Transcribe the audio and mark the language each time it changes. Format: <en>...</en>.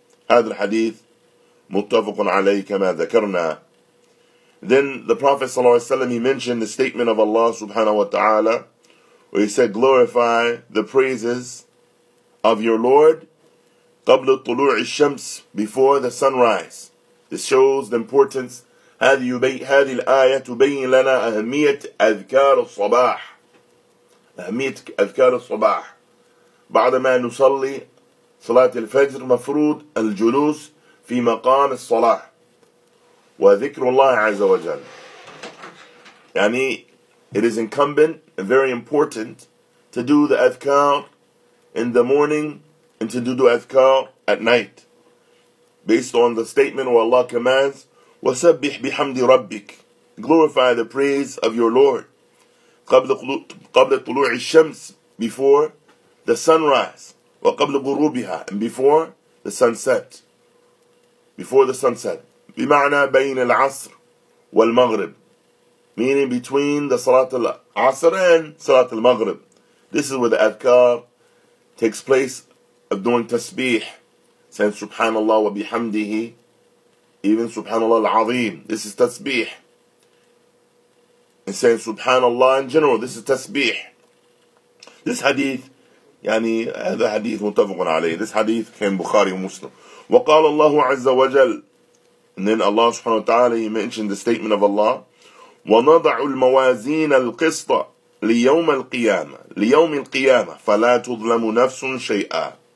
<ar>هذا الحديث متفق عليه كما ذكرنا.</ar> <en>Then the Prophet صلى الله عليه وسلم, he mentioned the statement of Allah subhanahu wa ta'ala, where he said, glorify the praises of your Lord قَبْلَ طُلُوعِ الشَّمْسِ, before the sunrise. This shows the importance.</en> <ar>هذه الآية تبين لنا أهمية أذكار الصباح. أهمية أذكار الصباح. بعدما نصلي صلاة الفجر مفروض الجلوس في مقام الصلاة وذكر الله عز وجل.</ar> <en>يعني it is incumbent and very important to do the أذكار in the morning and to do أذكار at night. Based on the statement where Allah commands, وَسَبِّحْ بِحَمْدِ رَبِّكَ, glorify the praise of your Lord, قَبْلَ طُلُوعِ الشَّمْسِ, before the sunrise, وَقَبْلَ غُرُوبِهَا, and before the sunset, before the sunset, بِمَعْنَى بَيْنَ الْعَصْرِ وَالْمَغْرِبِ, meaning between the Salat al-Asr and Salat al-Maghrib. This is where the adhkar takes place of doing tasbih, saying subhanallah wa bihamdihi, even subhanallah al-azim, this is tasbih. And saying subhanallah in general, this is tasbih. This hadith, yani, هذا hadith متفقون عليه. This hadith came Bukhari and Muslim.</en> <ar>وقال الله عز وجل, and then Allah subhanahu wa ta'ala, he mentioned the statement of Allah, وَنَضَعُ الْمَوَازِينَ الْقِسْطَ لِيَوْمَ الْقِيَامَةِ, لِيَوْمِ الْقِيَامَةِ فَلَا تُظْلَمُ نَفْسٌ شَيْئًا.</ar>